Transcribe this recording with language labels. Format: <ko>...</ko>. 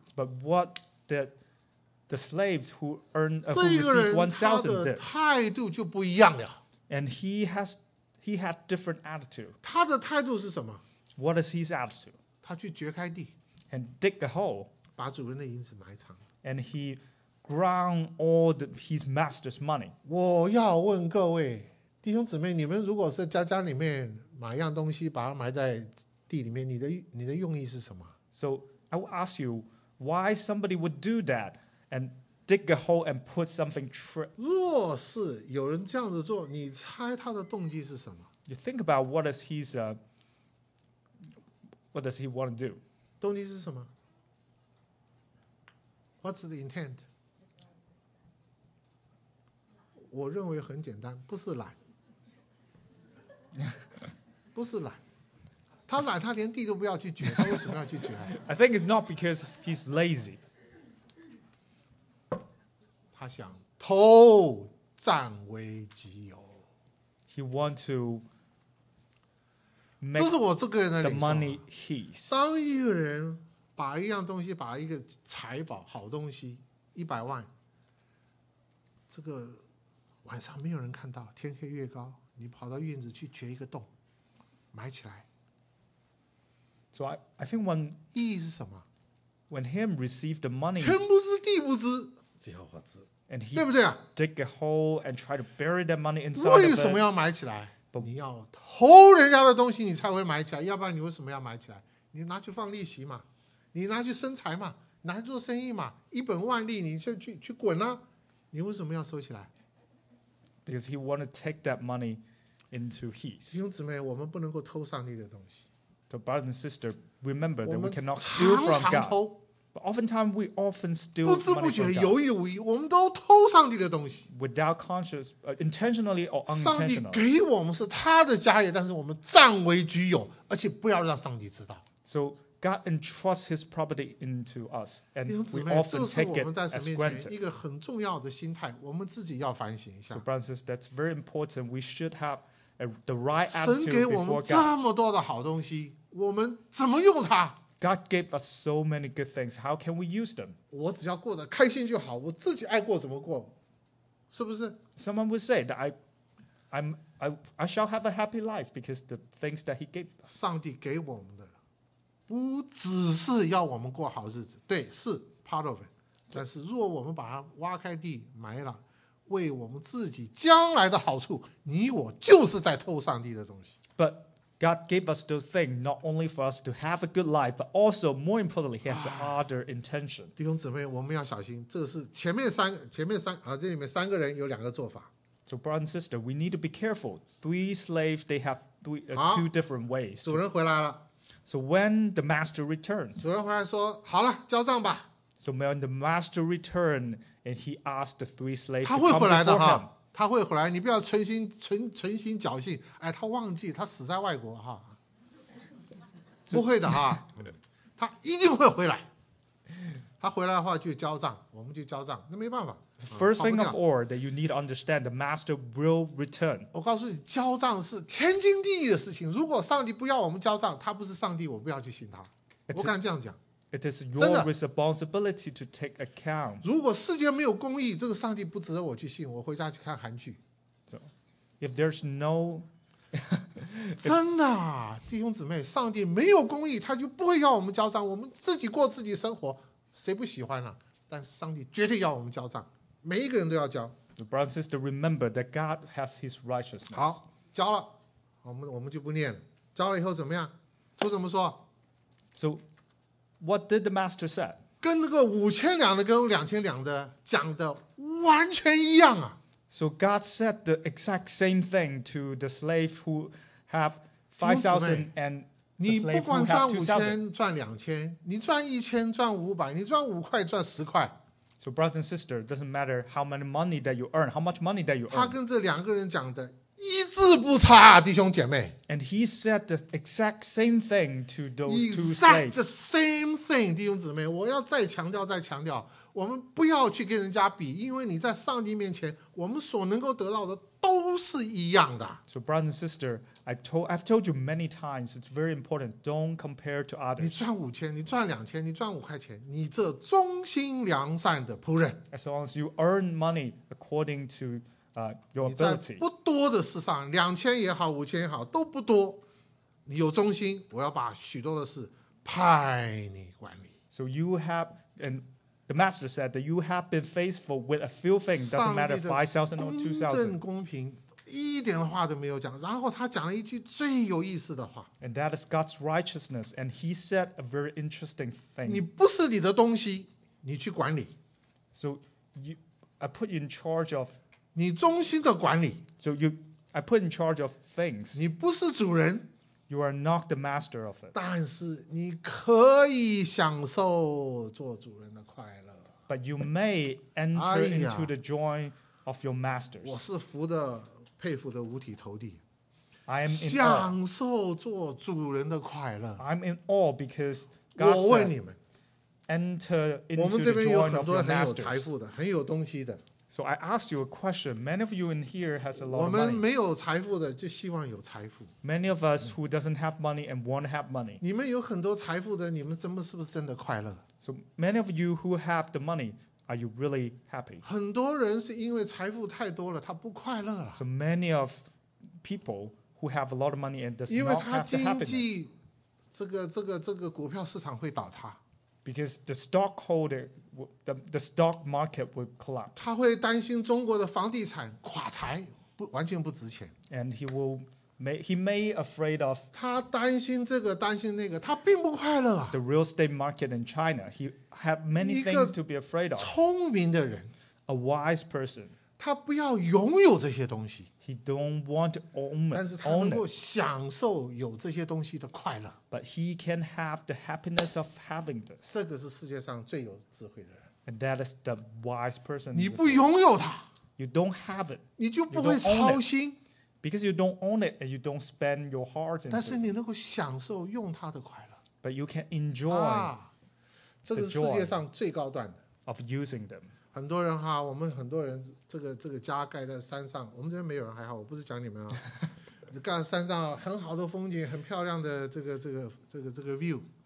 <en>？But what did the slaves who earn who received 1,000 did?</en> <zh>这个人他的态度就不一样了。</zh> <en>And he had different attitude.</en> <zh>他的态度是什么？</zh> <en>What is his attitude?</en> <zh>他去掘开地</zh> <en>and dig a hole,</en> <zh>把主人的银子埋藏</zh> <en>and he ground all the, his master's money.</en> <zh>我要问各位弟兄姊妹，你们如果是在家里面买样东西，把它埋在地里面，你的用意是什么？</zh> <en>So I will ask you why somebody would do that and dig a hole and put something.</en> <zh>若是有人这样子做，你猜他的动机是什么？</zh> <en>You think about what is his What does he want to do?</en> <zh>动机是什么？</zh> <en>What's the intent?</en> <zh>我认为很简单，不是懒，不是懒。他懒，他连地都不要去掘，他为什么要去掘？</zh> <en>I think it's not because he's lazy.</en> <zh>他想偷占为己有。</zh> <en>He want to.</en> <zh>这是我这个人的领受。</zh> <en>The money he's.</en> <zh>当一个人把一样东西，把一个财宝、好东西，100万，这个晚上没有人看到，天黑月高，你跑到院子去掘一个洞，埋起来。</zh> <en>So I think when</en> <zh>意义是什么</zh> <en>？When him received the money,</en> <zh>天不知地不知，只要我知。</zh> <en>And he</en> <zh>对不对啊</zh> <en>？Dig a hole and try to bury that money inside.</en> <zh>为什么要埋起来？你要偷人家的东西你才会买起来，要不然你为什么要买起来？你拿去放利息嘛，你拿去生财嘛，拿去做生意嘛，一本万利你就 去滚啊，你为什么要收起来？</zh> <en>Because he want to take that money into his.</en> <zh>弟兄姊妹，我们不能够偷上帝的东西。</zh> <en>So brother and sister, remember that we cannot steal from God. But oftentimes we often steal money from God.</en> <zh>不知不觉，有意无意，我们都偷上帝的东西。</zh> <en>Without conscious, intentionally or unintentionally.</en> <zh>上帝给我们是他的家业，但是我们占为己有，而且不要让上帝知道。</zh> <en>So God entrusts His property into us, and we often take it as granted.</en> <zh>一个很重要的心态，我们自己要反省一下。</zh> <en>So brother says that's very important. We should have the right attitude before God.</en> <zh>神给我们这么多的好东西，我们怎么用它？</zh> <en>God gave us so many good things. How can we use them?</en> <zh>我只要过得开心就好，我自己爱过怎么过，是不是？</zh> <en>Someone would say that I shall have a happy life because the things that He gave.</en> <zh>上帝给我们的不只是要我们过好日子，对，是</zh> <en>part of it.</en> <zh>但是若我们把它挖开地埋了，为我们自己将来的好处，你我就是在偷上帝的东西。</zh> <en>But God gave us those things not only for us to have a good life, but also more importantly, He has other intention.</en> <zh>弟兄姊妹，我们要小心。这是前面三这里面三个人有两个做法。</zh> <en>So brother and sister, we need to be careful. Three slaves, they have two different ways.</en> <zh>主人回来了。</zh> <en>So when the master returned,</en> <zh>主人回来说，好了，交账吧。</zh> <en>So when the master returned, and he asked the three slaves,</en> <zh>他会回来的哈，他会回来，你不要存心侥幸，哎，他忘记，他死在外国哈，不会的哈，他一定会回来。他回来的话就交账，我们就交账，那没办法。</zh> <en>First thing of all that you need to understand, the master will return.</en> <zh>我告诉你，交账是天经地义的事情。如果上帝不要我们交账，他不是上帝，我不要去信他。我敢这样讲。</zh> <en>It is your responsibility to take account.</en> <zh>如果世界没有公义，这个上帝不值得我去信。我回家去看韩剧。</zh> <en>So, if there's no,</en> <zh>真的，弟兄姊妹，上帝没有公义，他就不会要我们交账。我们自己过自己生活，谁不喜欢啊？但是上帝绝对要我们交账，每一个人都要交。</zh> <en>The brother and sister, remember that God has His righteousness.</en> <zh>好，交了，我们就不念了。交了以后怎么样？主怎么说</zh> <en>？So, what did the master say?</en> <zh>跟那个五千两的跟两千两的讲的完全一样啊。</zh> <en>So God said the exact same thing to the slave who have 5,000 and</en> <zh>你不管赚五千赚两千，你赚一千赚五百，你赚五块赚十块。</zh> <en>So brother and sister, doesn't matter how much money that you earn, how much money that you earn.</en> <zh>他跟这两个人讲的一字不差，弟兄姐妹。</zh> <en>And he said the exact same thing to those two slaves. Exact the same thing,</en> <zh>弟兄姊妹。我要再强调，再强调，我们不要去跟人家比，因为你在上帝面前，我们所能够得到的都是一样的。</zh> <en>So brother and sister, I've told you many times, it's very important, don't compare to others.</en> <zh>你赚五千，你赚两千，你赚五块钱，你这忠心良善的仆人。</zh> <en>As long as you earn money according to your ability.</en> <zh>你在不多的事上，两千也好，五千也好，都不多。你有忠心，我要把许多的事派你管理。</zh> <en>So you have an... The master said that you have been faithful with a few things. Doesn't matter 5,000 or 2,000.</en> <zh>公正公平，一点话都没有讲。然后他讲了一句最有意思的话。</zh> <en>And that is God's righteousness. And he said a very interesting thing.</en> <zh>你不是你的东西，你去管理。</zh> <en>So you, I put you in charge of.</en> <zh>你忠心的管理。</zh> <en>So you, I put in charge of things.</en> <zh>你不是主人。</zh> <en>You are not the master of it.</en> <zh>但是你可以享受做主人的快乐。</zh> <en>But you may enter into the joy of your masters.</en> <zh>我是服的，佩服的五体投地。</zh> <en>I am in awe.</en> <zh>享受做主人的快乐。</zh> <en>I'm in awe because God said,</en> <zh>我问你们,</zh> <en>enter into</en> <zh>我们这边有很多很有财富的，很有东西的。</zh> <en>So I asked you a question. Many of you in here has a lot of money.</en> <zh>我们没有财富的就希望有财富。</zh> <en>Many of us who doesn't have money and want to have money.</en> <zh>你们有很多财富的，你们真的是不是真的快乐？</zh> <en>So many of you who have the money, are you really happy?</en> <zh>很多人是因为财富太多了，他不快乐了。</zh> <en>So many of people who have a lot of money and does not have the happiness.</en> <zh>因为他经济，这个股票市场会倒塌。</zh> <en>Because the stockholder, the stock market would collapse.</en> <zh>他会担心中国的房地产垮台，不完全不值钱。</zh> <en>And he may afraid of.</en> <zh>他担心这个，担心那个，他并不快乐。</zh> <en>The real estate market in China, he had many things to be afraid of.</en> <zh>聪明的人</zh> <en>，a wise person.</en> <zh>他不要拥有这些东西。</zh> <en>He don't want to own it.</en> <zh>但是他能够享受有这些东西的快乐。</zh> <en>But he can have the happiness of having this.</en> <zh>这个是世界上最有智慧的人。</zh> <en>And that is the wise person.</en> <zh>你不拥有它</zh> <en>，You don't have it.</en> <zh>你就不会操心</zh> <en>，Because you don't own it and you don't spend your heart.</en> <zh>但是你能够享受用它的快乐。</zh> <en>But you can enjoy.</en> <zh>啊，这个是世界上最高端的。</zh> <en>Of using them.</en> <zh>很多人哈，我们很多人这个家盖在山上，我们这边没有人还好，我不是讲你们啊，盖山上很好的风景，很漂亮的这个 view。</zh>